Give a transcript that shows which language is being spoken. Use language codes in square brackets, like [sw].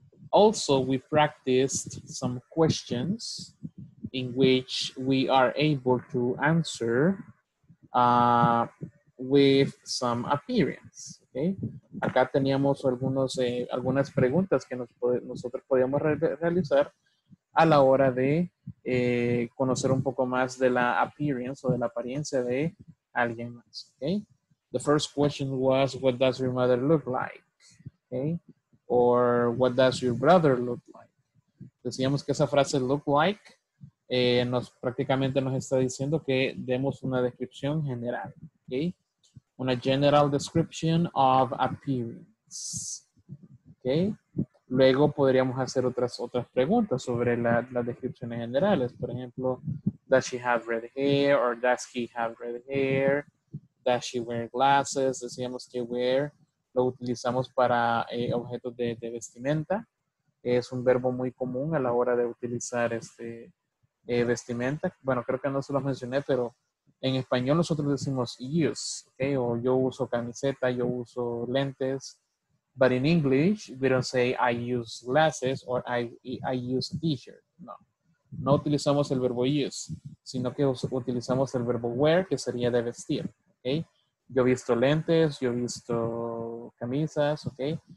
[en] Also, we practiced some questions in which we are able to answer with some appearance. Okay. [es] Acá teníamos algunas preguntas que nosotros podíamos realizar a la hora de conocer un poco más de la appearance o de la apariencia de alguien más. Okay. [en] The first question was, what does your mother look like? Okay. Or what does your brother look like? [es] Decíamos que esa frase look like prácticamente nos está diciendo que demos una descripción general. Okay. [en] Una general description of appearance. Okay. [es] Luego podríamos hacer otras preguntas sobre las descripciones generales. Por ejemplo, [en] does she have red hair or does he have red hair? Does she wear glasses? [es] Decíamos que wear lo utilizamos para objetos de vestimenta. Es un verbo muy común a la hora de utilizar vestimenta. Bueno, creo que no se los mencioné, pero en español nosotros decimos use, okay? O yo uso camiseta, yo uso lentes. [en] But in English, we don't say I use glasses or I use a t-shirt. [es] No, no utilizamos el verbo use, sino que utilizamos el verbo wear, que sería de vestir, okay? Yo he visto lentes, yo he visto camisas, okay?